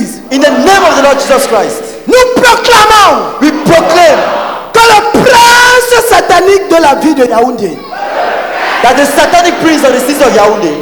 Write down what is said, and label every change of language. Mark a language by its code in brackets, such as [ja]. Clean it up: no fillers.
[en] In the name of the Lord Jesus Christ, [fr] nous proclamons, [en] we proclaim, [fr] que le prince satanique de la ville de Yaoundé, [en] that the satanic prince of the city of Yaoundé,